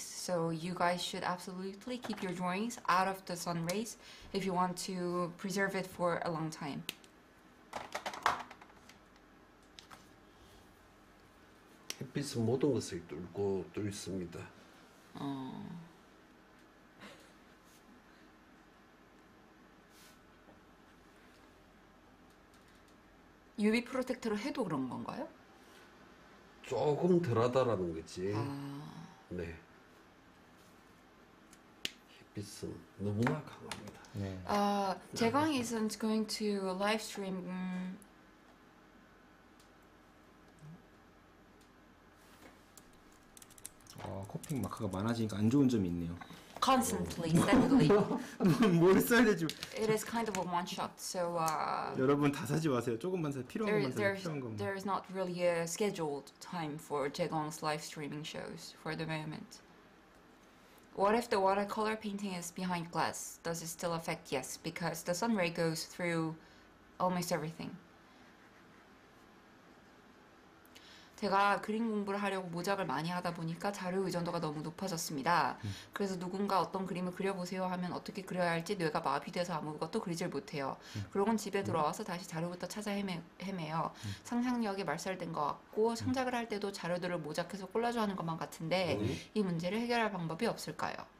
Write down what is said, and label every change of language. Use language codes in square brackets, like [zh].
[en] So you guys should absolutely keep your drawings out of the sun rays if you want to preserve it for a long time. [ko] 햇빛은 모든 것을 뚫고 뚫습니다. UV 프로텍터로 해도 그런 건가요? 조금 덜하다라는 거지. 아. 네. 햇빛은 너무나 강합니다. 네. [en] 아, 재광 isn't going to live stream. [ko] Coping 마크가 많아지니까 안 좋은 점이 있네요. [en] Constantly, steadily. [ko] 뭘 써야 되지? [en] It is kind of a one shot, so. [ko] 여러분 다 사지 마세요. 조금만 사 필요한 것만 사 필요한 것만. [en] There is not really a scheduled time for Jaegong's live streaming shows for the moment. What if the watercolor painting is behind glass? Does it still affect? Yes, because the sun ray goes through almost everything. [ko] 제가 그림 공부를 하려고 모작을 많이 하다 보니까 자료 의존도가 너무 높아졌습니다. 그래서 누군가 어떤 그림을 그려보세요 하면 어떻게 그려야 할지 뇌가 마비돼서 아무것도 그리질 못해요. 그러곤 집에 들어와서 다시 자료부터 찾아 헤매요. 상상력이 말살된 것 같고 창작을 할 때도 자료들을 모작해서 콜라주 하는 것만 같은데 이 문제를 해결할 방법이 없을까요?